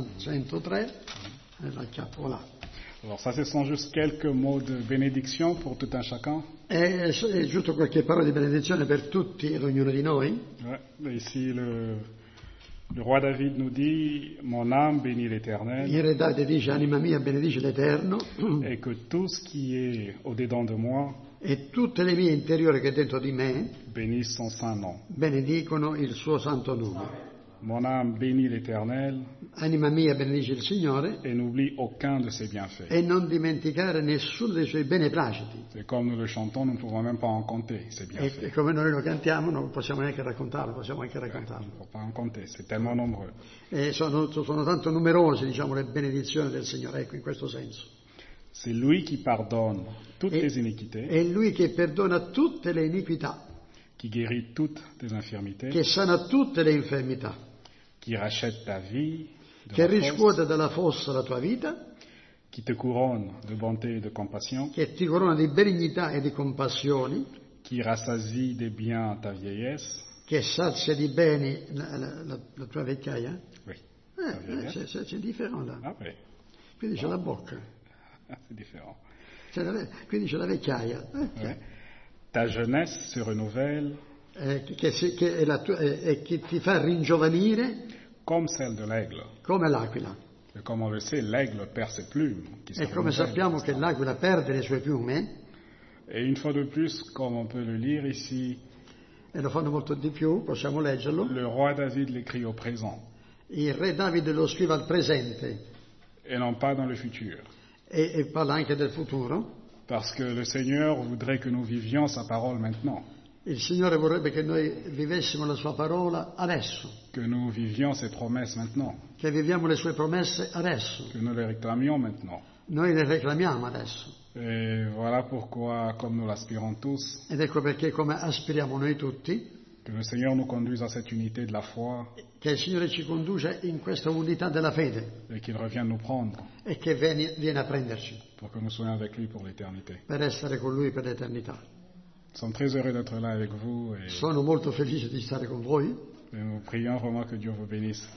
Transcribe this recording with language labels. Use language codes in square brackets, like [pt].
[fr] Alors ça, ce sont juste quelques mots de bénédiction pour tout un chacun. Et juste quelques paroles de bénédiction pour [it] tutti e ognuno di noi. [fr] Ici, le roi David nous dit, mon âme bénit l'Éternel. [it] Il re David dit, anima mia benedice l'Eterno. [fr] Et que tout ce qui est au dedans de moi. [it] E tutte le vie intérieures che dentro di me. [fr] Bénissent son saint nom. [it] Benedicono il suo santo nome. [fr] Mon âme bénit l'Éternel. [it] Anima mia benedice il Signore. [fr] E n'oublie aucun de ses bienfaits. [it] E non dimenticare nessuno dei suoi beneplaciti. [fr] Et comme nous le chantons, nous ne pouvons même pas en compter ses bienfaits. [it] E come noi lo cantiamo, non possiamo neanche raccontarlo, possiamo anche raccontarlo. [fr] Non pas en compter, c'est tellement nombreux. [it] E sono tanto numerose, diciamo, le benedizioni del Signore, ecco, in questo senso. [fr] C'est lui qui pardonne toutes tes iniquités. [it] È lui che perdona tutte le iniquità. [fr] Qui guérit toutes tes infirmités. [it] Che sana tutte le infermità. [fr] Qui rachète ta vie. [it] Che riscuote dalla fossa la tua vita. [fr] Qui te couronne de bonté et de compassion. [it] Che ti corona di benignità e di compassioni. [fr] Qui rassasie des biens ta vieillesse. [it] Che sazia di beni la tua vecchiaia. [fr] Oui. C'est différent là. Ah oui. [it] Quindi c'è la bocca. [fr] C'est différent. [it] Quindi c'è la vecchiaia. [fr] Ta jeunesse se renouvelle. [it] Qui ti fa ringiovanire. [fr] Comme celle de l'aigle. [it] Come l'aquila. [fr] Et comme on le sait, l'aigle perd ses plumes. [it] E come sappiamo che l'aquila perde le sue piume. [fr] Et une fois de plus, comme on peut le lire ici. [it] E lo fanno molto di più, possiamo leggerlo. [fr] Le roi David l'écrit au présent. [it] Il re Davide lo scrive al presente. [fr] Et non pas dans le futur. [it] E parla anche del futuro. [fr] Parce que le Seigneur voudrait que nous vivions sa parole maintenant. [it] Il Signore vorrebbe che noi vivessimo la sua parola adesso. [fr] Que nous vivions ses promesses maintenant. [it] Che viviamo le sue promesse adesso. [fr] Que nous les réclamions maintenant. [it] Noi le reclamiamo adesso. [fr] Et voilà pourquoi, comme nous l'aspirons tous. [it] Ed ecco perché come aspiriamo noi tutti. [fr] Que le Seigneur nous conduise à cette unité de la foi. [it] Che il Signore ci conduce in questa unità della fede. [fr] Et qu'il revienne nous prendre. [it] E che vienne a prenderci. [fr] Pour que nous soyons avec lui pour l'éternité. [it] Per essere con lui per l'eternità. [fr] Sommes très heureux d'être là avec vous. Et [it] sono molto felice di stare con voi. [fr] Et nous prions vraiment que Dieu vous bénisse.